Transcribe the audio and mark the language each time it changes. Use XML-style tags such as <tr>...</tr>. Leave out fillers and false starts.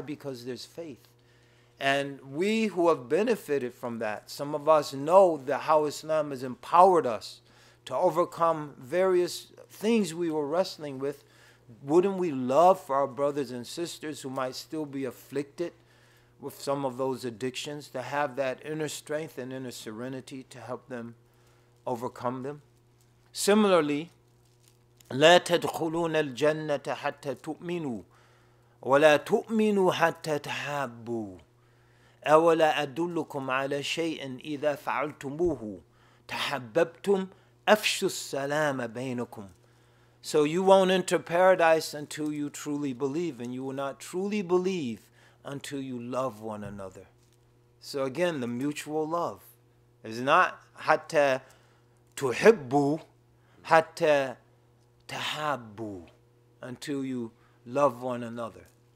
<en>Because there's faith. And we who have benefited from that, some of us know that how Islam has empowered us to overcome various things we were wrestling with. Wouldn't we love for our brothers and sisters who might still be afflicted with some of those addictions to have that inner strength and inner serenity to help them overcome them? Similarly,</en> <ar>لا تدخلون الجنة حتى تؤمنوا ولا تؤمنوا حتى تحبوا. أولا أدلكم على شيء إذا فعلتموه تحببتم أفشوا السلام بينكم.</ar> <en>So you won't enter paradise until you truly believe, and you will not truly believe until you love one another. So again, the mutual love is not</en> <ar>حتى تحبوا حتى تحبوا,</ar> <en>until you love one another.</en>